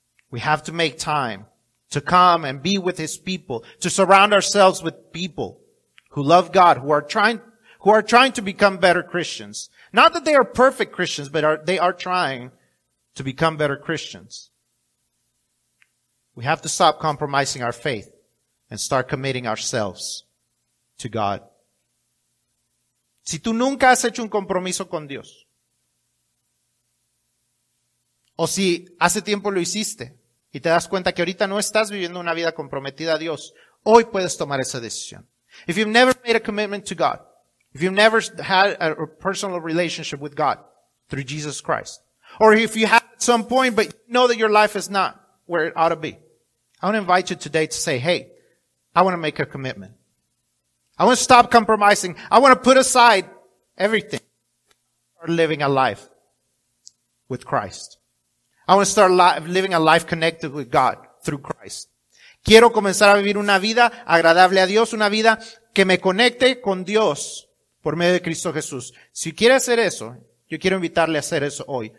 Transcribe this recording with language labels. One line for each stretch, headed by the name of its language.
English: We have to make time to come and be with His people, to surround ourselves with people who love God, who are trying to become better Christians. Not that they are perfect Christians, but they are trying to become better Christians. We have to stop compromising our faith and start committing ourselves to God.
Spanish: Si tú nunca has hecho un compromiso con Dios, o si hace tiempo lo hiciste y te das cuenta que ahorita no estás viviendo una vida comprometida a Dios, hoy puedes tomar esa decisión.
English: If you've never made a commitment to God, if you've never had a personal relationship with God through Jesus Christ, or if you have at some point but you know that your life is not where it ought to be, I want to invite you today to say, hey, I want to make a commitment. I want to stop compromising. I want to put aside everything and start living a life with Christ. I want to start living a life connected with God through Christ.
Spanish: Quiero comenzar a vivir una vida agradable a Dios, una vida que me conecte con Dios por medio de Cristo Jesús. Si quiere hacer eso, yo quiero invitarle a hacer eso hoy.